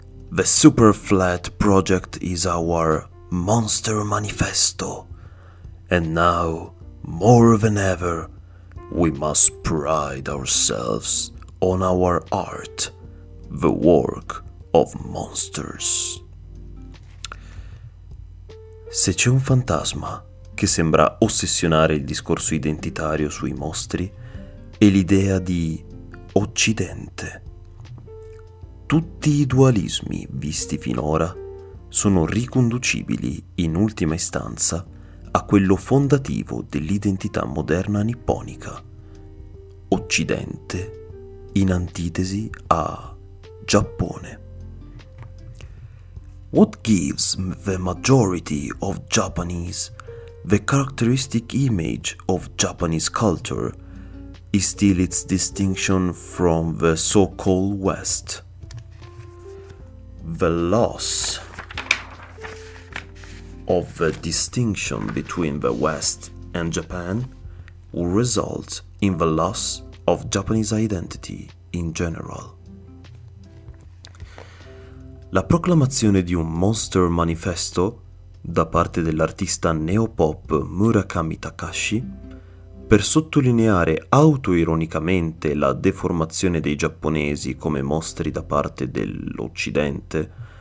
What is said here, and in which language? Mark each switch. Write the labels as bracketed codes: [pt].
[en] The Super Flat Project is our monster manifesto. And now, more than ever, we must pride ourselves on our art, the work of monsters. [it] Se c'è un fantasma che sembra ossessionare il discorso identitario sui mostri, è l'idea di Occidente. Tutti i dualismi visti finora sono riconducibili, in ultima istanza, a quello fondativo dell'identità moderna nipponica, Occidente, in antitesi a Giappone. [en] What gives the majority of Japanese the characteristic image of Japanese culture is still its distinction from the so-called West. The loss of the distinction between the West and Japan will result in the loss of Japanese identity in general. [it] La proclamazione di un Monster Manifesto da parte dell'artista neopop Murakami Takashi, per sottolineare autoironicamente la deformazione dei giapponesi come mostri da parte dell'Occidente,